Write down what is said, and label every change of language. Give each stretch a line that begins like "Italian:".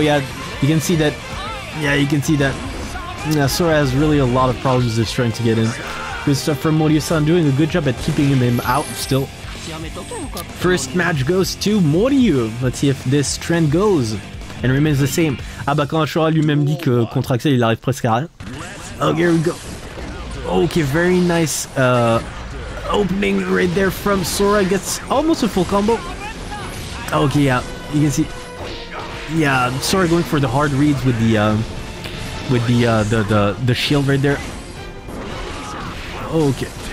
English: Yeah, you can see that. Yeah, you can see that. Yeah, Sora has really a lot of problems just trying to get in. Good stuff from Moryu-san, doing a good job at keeping him out still. First match goes to Moryu. Let's see if this trend goes and remains the same.
French: Ah bah quand Sora lui-même dit que contre Axel il arrive presque à rien.
English: Okay, here we go. Okay, very nice opening right there from Sora. Gets almost a full combo. Okay, yeah, you can see. Yeah, Sora going for the hard reads with the shield right there. Okay.